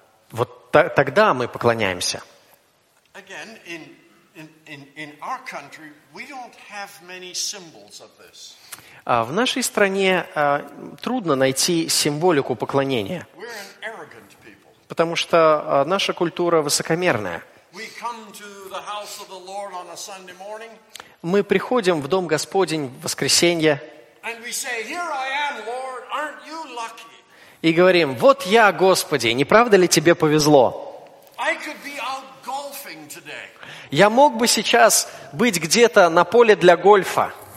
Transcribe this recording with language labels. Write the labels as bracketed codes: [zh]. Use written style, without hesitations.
[ru] Вот тогда мы поклоняемся. [en] Again, in our country, we don't have many symbols of this. [ru] В нашей стране трудно найти символику поклонения. [en] We're an arrogant people. [ru] Потому что наша культура высокомерная. [en] We come to the house of the Lord on a Sunday morning. [ru] Мы приходим в Дом Господень в воскресенье. [en] And we say, here I am, Lord, aren't you lucky? [ru] И говорим, вот я, Господи, не правда ли тебе повезло? [en] I could be out golfing today. [ru] Я мог бы сейчас быть где-то на поле для гольфа.